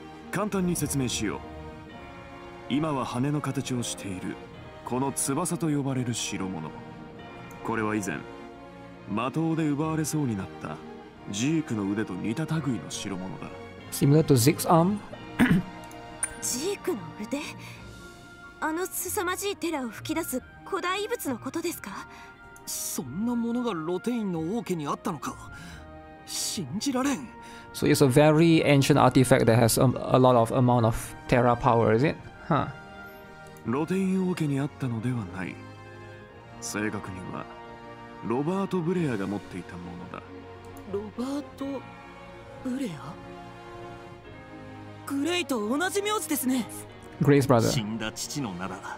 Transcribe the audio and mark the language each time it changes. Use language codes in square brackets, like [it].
[ja] 簡単に説明しよう。今は羽の形をしているこの翼と呼ばれる代物、これは以前魔刀で奪われそうになったジークの腕と似た類の代物だ。 [en] Similar to Zeke's arm? [ja] ジークの腕、あの凄まじいテラを吹き出す古代遺物のことですか？そんなものがロテインの王家にあったのか、信じられん。 [en] So it's a very ancient artifact that has a lot of amount of terra power, is it? Huh. [ja] ロテイン王家にあったのではない。正確にはロバート・ブレアが持っていたものだ。ロバート・ブレア、グレイと同じ名字ですね。グレイス・ブラザー。死んだ父の名だ。